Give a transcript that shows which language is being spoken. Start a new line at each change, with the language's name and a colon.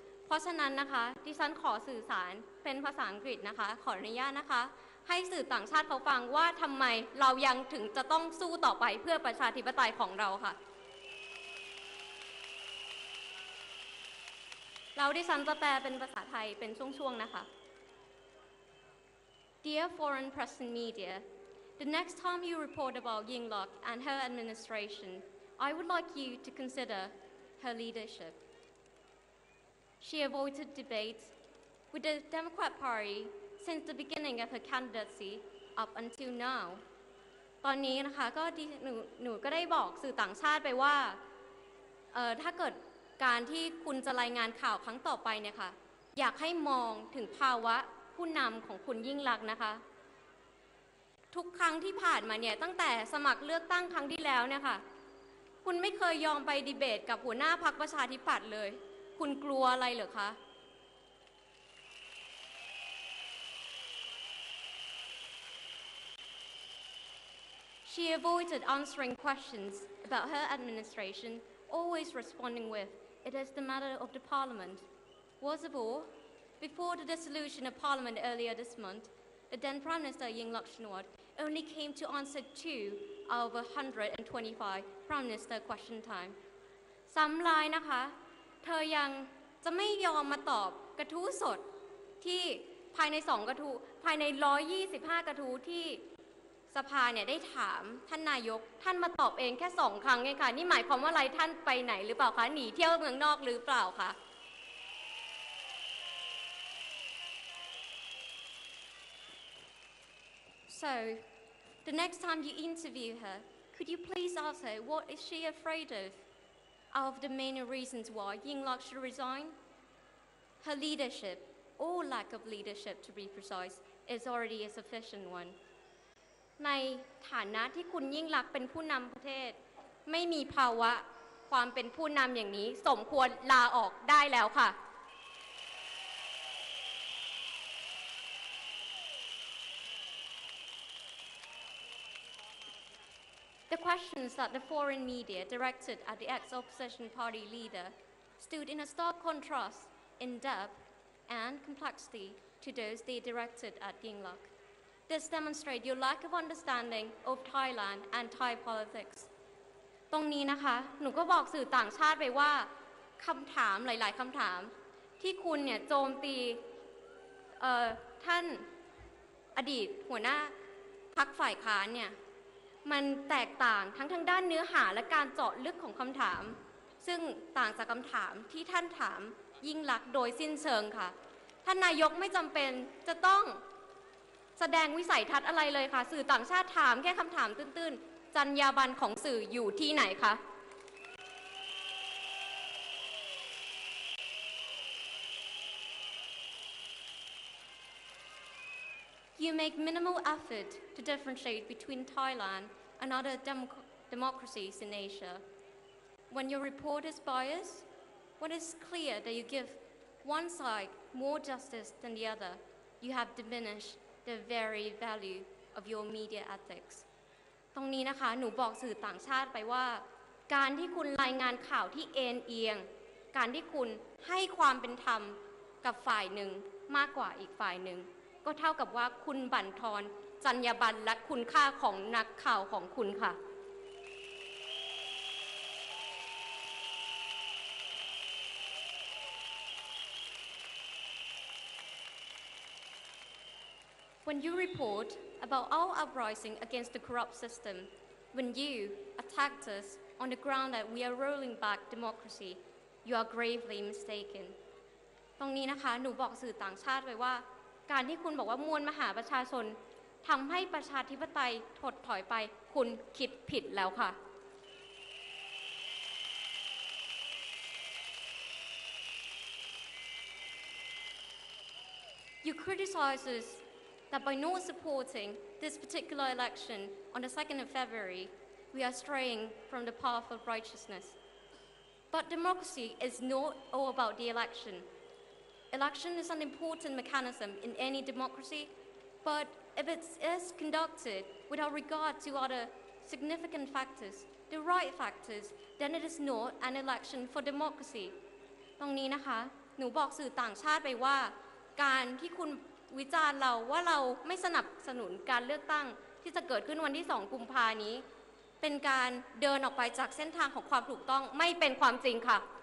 Thai: เพราะฉะนั้นนะคะดิฉันขอสื่อสารเป็นภาษาอังกฤษนะคะขออนุญาตนะคะให้สื่อต่างชาติเขาฟังว่าทำไมเรายังถึงจะต้องสู้ต่อไปเพื่อประชาธิปไตยของเราค่ะเราดิฉันจะแปลเป็นภาษาไทยเป็นช่วงๆนะคะ
English: Dear foreign press and media, the next time you report about Yingluck and her administration,I would like you to consider her leadership. She avoided debate with the Democrat Party since the beginning of her candidacy up until now.
Thai: ตอนนี้นะคะก็หนูก็ได้บอกสื่อต่างชาติไปว่าถ้าเกิดการที่คุณจะรายงานข่าวครั้งต่อไปเนี่ยค่ะอยากให้มองถึงภาวะผู้นำของคุณยิ่งลักษณ์นะคะ ทุกครั้งที่ผ่านมาเนี่ยตั้งแต่สมัครเลือกตั้งครั้งที่แล้วเนี่ยค่ะคุณไม่เคยยอมไปดีเบตกับหัวหน้าพรรคประชาธิปัตย์เลยคุณกลัวอะไรเหรอคะ
English: She avoided answering questions about her administration, always responding with, "It is the matter of the parliament." Worst of all, before the dissolution of parliament earlier this month, the then Prime Minister Yingluck Shinawatraonly came to answer two out of 125 Prime Minister question time.
Thai: สำหรับนะคะเธอยังจะไม่ยอมมาตอบกระทู้สดที่ภายใน2กระทู้ภายใน125กระทู้ที่สภาเนี่ยได้ถามท่านนายกท่านมาตอบเองแค่2ครั้งเองค่ะนี่หมายความว่าอะไรท่านไปไหนหรือเปล่าคะหนีเที่ยวเมืองนอกหรือเปล่าคะ
English: So, the next time you interview her, could you please ask her what is she afraid of? Out of the many reasons why Yingluck should resign? Her leadership, or lack of leadership to be precise, is already a sufficient one.
Thai: ในฐานะที่คุณยิ่งลักษณ์เป็นผู้นำประเทศไม่มีภาวะความเป็นผู้นำอย่างนี้สมควรลาออกได้แล้วค่ะ
English: The questions that the foreign media directed at the ex-opposition party leader stood in a stark contrast in depth and complexity to those they directed at Yingluck. This demonstrates your lack of understanding of Thailand and Thai politics.
Thai: ตรงนี้นะคะหนูก็บอกสื่อต่างชาติไปว่าคำถามหลายๆคำถามที่คุณเนี่ยโจมตีท่านอดีตหัวหน้าพรรคฝ่ายค้านเนี่ย มันแตกต่างทั้งทางด้านเนื้อหาและการเจาะลึกของคำถามซึ่งต่างจากคำถามที่ท่านถามยิ่งลักโดยสิ้นเชิงค่ะท่านนายกไม่จำเป็นจะต้อง แสดงวิสัยทัศน์อะไรเลยค่ะสื่อต่างชาติถามแค่คำถามตื้นๆจรรยาบรรณของสื่ออยู่ที่ไหนคะ
English: You make minimal effort to differentiate between Thailand and other democracies in Asia. When your report is biased, when it's clear that you give one side more justice than the other, you have diminished the very value of your media ethics.
Thai: ตรงนี้นะคะหนูบอกสื่อต่างชาติไปว่าการที่คุณรายงานข่าวที่เอ็นเอียงการที่คุณให้ความเป็นธรรม กับฝ่ายหนึ่งมากกว่าอีกฝ่ายหนึ่งก็เท่ากับว่าคุณบั่นทอนจรรยาบรรณและคุณค่าของนักข่าวของคุณค่ะ
English: When you report about our uprising against the corrupt system, when you attacked us on the ground that we are rolling back democracy, you are gravely mistaken.
Thai: ตรงนี้นะคะหนูบอกสื่อต่างชาติไว้ว่าการที่คุณบอกว่ามวลมหาประชาชนทำให้ประชาธิปไตยถดถอยไปคุณคิดผิดแล้วค่ะ
English: You criticize us that by not supporting this particular election on the 2nd of February we are straying from the path of righteousness but democracy is not all about the electionElection is an important mechanism in any democracy, but if it is conducted without regard to other significant factors, the right factors, then it is not an election for democracy.
Thai: ตรงนี้นะคะหนูบอกสื่อต่างชาติไปว่าการที่คุณวิจารณ์เราว่าเราไม่สนับสนุนการเลือกตั้งที่จะเกิดขึ้นวันที่2กุมภาพันธ์นี้เป็นการเดินออกไปจากเส้นทางของความถูกต้องไม่เป็นความจริงค่ะ